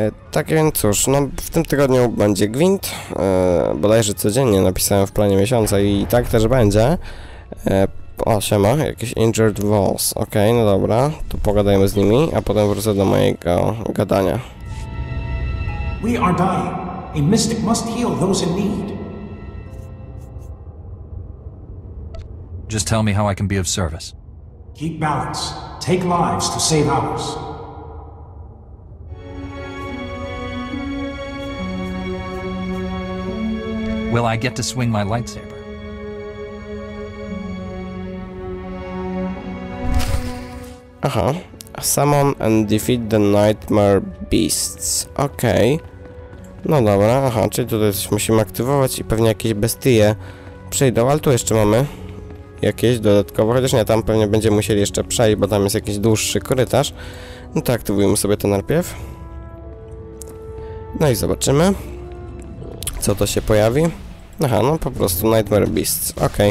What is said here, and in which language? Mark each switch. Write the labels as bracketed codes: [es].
[pl] Tak więc cóż, no w tym tygodniu będzie gwint. Bodajże codziennie napisałem w planie miesiąca i tak też będzie. O, siema, jakiś injured Vols. Okej, no dobra, to pogadajmy z nimi, a potem wrócę do mojego gadania. [en] We are dying. A mystic must heal those in need. Just tell me how I can be of service. Keep balance. Take lives to save ours. Will I get to swing my lightsaber? Aha. Summon and defeat the nightmare beasts. Okay. [pl] No dobra, aha, czyli tutaj coś musimy aktywować i pewnie jakieś bestie przyjdą, ale tu jeszcze mamy jakieś dodatkowe, chociaż nie, tam pewnie będziemy musieli jeszcze przejść, bo tam jest jakiś dłuższy korytarz. No to aktywujmy sobie to najpierw. No i zobaczymy, co to się pojawi. Aha, no po prostu Nightmare Beasts, okej.